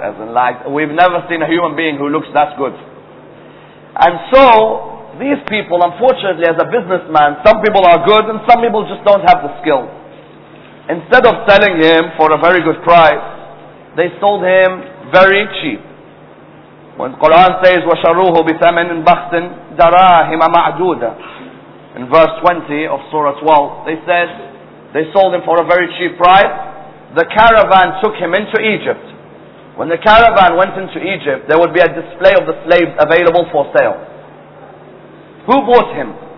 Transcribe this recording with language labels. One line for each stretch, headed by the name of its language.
English: As in like, we've never seen a human being who looks that good. And so, these people, unfortunately, as a businessman, some people are good and some people just don't have the skill. Instead of selling him for a very good price, they sold him very cheap. When Quran says,
Arabic: وَشَرُوهُ بِثَمَنٍ بَخْسٍ دَرَاهِمَ مَعْدُودًا,
English: in verse 20 of Surah 12, they said they sold him for a very cheap price. The caravan took him into Egypt. When the caravan went into Egypt, there would be a display of the slaves available for sale. Who bought him?